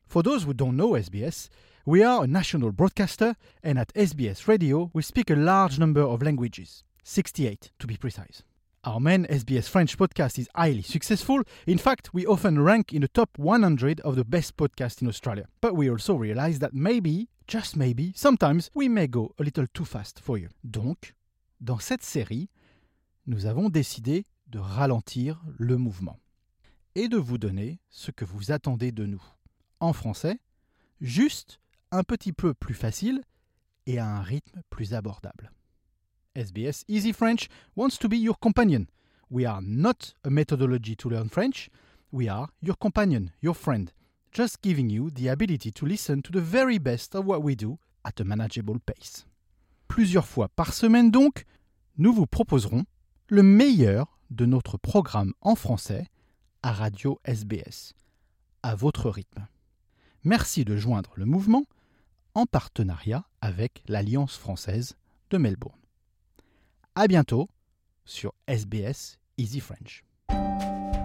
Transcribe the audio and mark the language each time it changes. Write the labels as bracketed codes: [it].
[en] For those who don't know SBS, we are a national broadcaster and at SBS Radio we speak a large number of languages, 68 to be precise. Our main SBS French podcast is highly successful. In fact, we often rank in the top 100 of the best podcasts in Australia. But we also realize that maybe, just maybe, sometimes we may go a little too fast for you. [fr] Donc, dans cette série, nous avons décidé de ralentir le mouvement et de vous donner ce que vous attendez de nous. En français, juste un petit peu plus facile et à un rythme plus abordable. [en] SBS Easy French wants to be your companion. We are not a methodology to learn French. We are your companion, your friend, just giving you the ability to listen to the very best of what we do at a manageable pace. [fr] Plusieurs fois par semaine donc, nous vous proposerons le meilleur de notre programme en français à Radio SBS, à votre rythme. Merci de joindre le mouvement en partenariat avec l'Alliance française de Melbourne. À bientôt sur SBS Easy French.